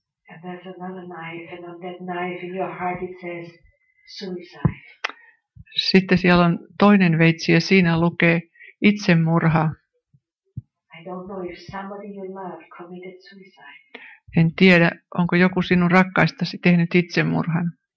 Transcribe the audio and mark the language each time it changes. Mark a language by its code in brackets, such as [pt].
[en] And there's another knife, and on that knife in your heart it says suicide. [fi] Sitten siellä on toinen veitsi ja siinä lukee itsemurha. [en] I don't know if somebody you love committed suicide. [fi] En tiedä, onko joku sinun rakkaistasi tehnyt itsemurhan.